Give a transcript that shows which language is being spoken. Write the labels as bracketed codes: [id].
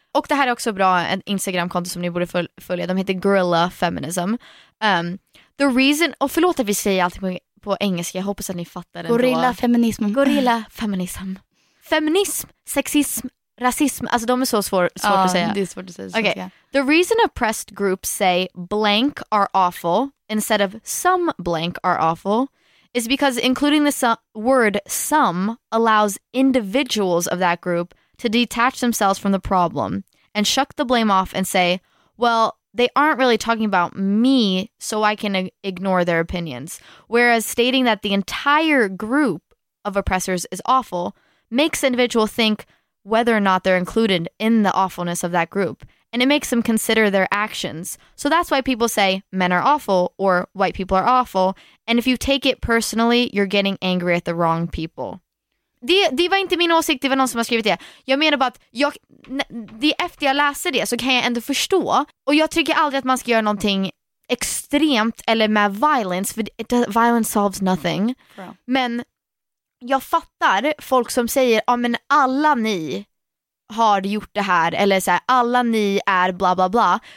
[sv] Och det här är också bra, en Instagram-konto som ni borde följa. De heter Gorilla Feminism. [en] The reason, [sv] och förlåt att vi säger allting på engelska, jag hoppas att ni fattar det. Gorilla ändå. Feminism. Gorilla feminism. Feminism, sexism, rasism. Alltså de är så svårt att säga. Det är svårt att säga. Okay. [en] The reason oppressed groups say blank are awful instead of some blank are awful is because including the word some allows individuals of that group to detach themselves from the problem and shuck the blame off and say, well, they aren't really talking about me, so I can ignore their opinions. Whereas stating that the entire group of oppressors is awful makes the individual think whether or not they're included in the awfulness of that group. And it makes them consider their actions. So that's why people say men are awful or white people are awful. And if you take it personally, you're getting angry at the wrong people. [sv] Det var inte min åsikt, det var någon som har skrivit det. Jag menar bara att efter jag läser det så kan jag ändå förstå. Och jag tycker aldrig att man ska göra någonting extremt eller med violence, för violence solves nothing. Men jag fattar folk som säger, ja men alla ni har gjort det här, eller så här, alla ni är bla bla bla.